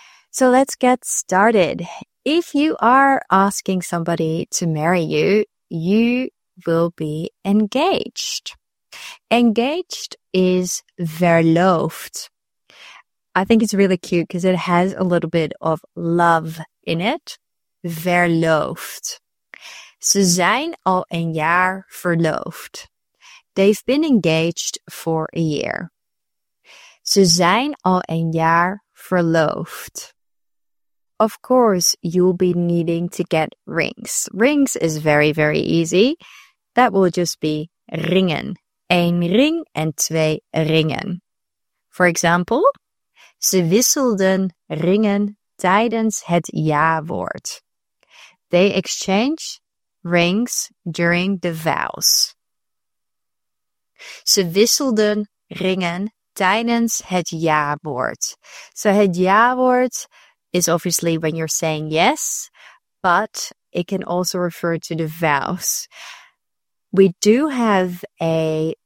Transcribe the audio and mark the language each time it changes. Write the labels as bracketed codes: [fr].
[en] So let's get started. If you are asking somebody to marry you, you will be engaged. Engaged is verloofd. I think it's really cute because it has a little bit of love in it. [nl] Verloofd. Ze zijn al een jaar verloofd. [en] They've been engaged for a year. [nl] Ze zijn al een jaar verloofd. [en] Of course, you'll be needing to get rings. Rings is very, very easy. That will just be ringen. [nl] 1 ring en 2 ringen. [en] For example, [nl] ze wisselden ringen tijdens het ja-woord. [en] They exchange rings during the vows. [nl] Ze wisselden ringen tijdens het ja-woord. [en] So het ja-woord is obviously when you're saying yes, but it can also refer to the vows. We do have a